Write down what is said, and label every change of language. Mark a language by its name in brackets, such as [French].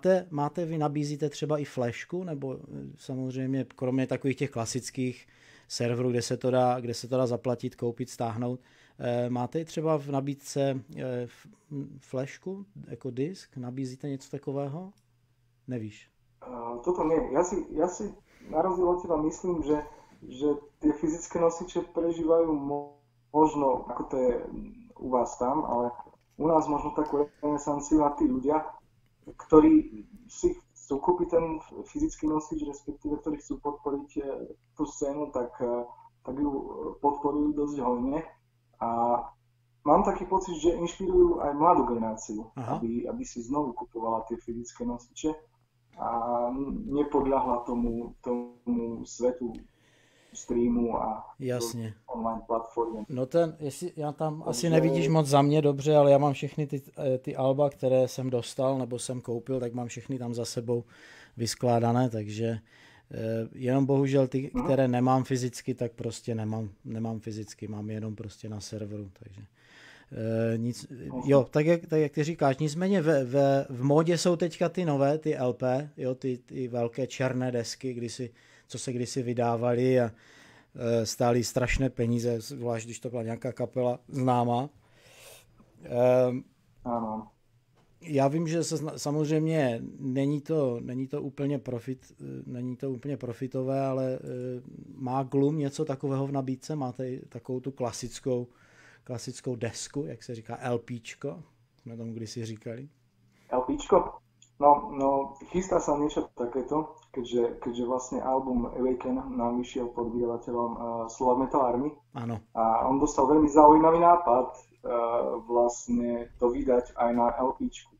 [Czech] Máte vy nabízíte třeba i flashku, nebo samozřejmě kromě takových těch klasických serverů, kde se to dá zaplatit, koupit, stáhnout. Máte třeba v nabídce flashku jako disk? Nabízíte něco takového? Nevíš? [Slovak] Toto nie. Já si na rozdíl od teba myslím, že tie fyzické nosiče prežívajú možno, ako to je u vás tam, ale u nás možno takú renesanciu a tí ľudia, ktorí si chcú kúpiť ten fyzický nosič, respektíve ktorí chcú podporiť tú scénu, tak ju podporujú dosť hojne. A mám taký pocit, že inšpirujú aj mladú generáciu, aby si znovu kupovala tie fyzické nosiče a nepodľahla tomu svetu streamu a [Czech] jasně. [Slovak] Online platformy. [Czech] No já tam to asi nevidíš moc za mě dobře, ale já mám všechny ty alba, které jsem dostal nebo jsem koupil, tak mám všechny tam za sebou vyskládané, takže jenom bohužel ty, které nemám fyzicky, tak prostě nemám fyzicky, mám jenom prostě na serveru, takže nic, jo, tak jak ty říkáš, nicméně v módě jsou teďka ty nové, ty LP, jo, ty velké černé desky, co se kdysi vydávali a stály strašné peníze, zvlášť když to byla nějaká kapela známá. Ano. Já vím, že samozřejmě není to úplně profitové, ale má Glum něco takového v nabídce? Máte takovou tu klasickou desku, jak se říká LPčko, jsme tomu kdysi říkali. LPčko? [Slovak] No, chystá sa niečo takéto, keďže vlastne album Awaken nám vyšiel pod vydavateľom Slova Metal Army. Áno. A on dostal veľmi zaujímavý nápad vlastne to vydať aj na LPčku.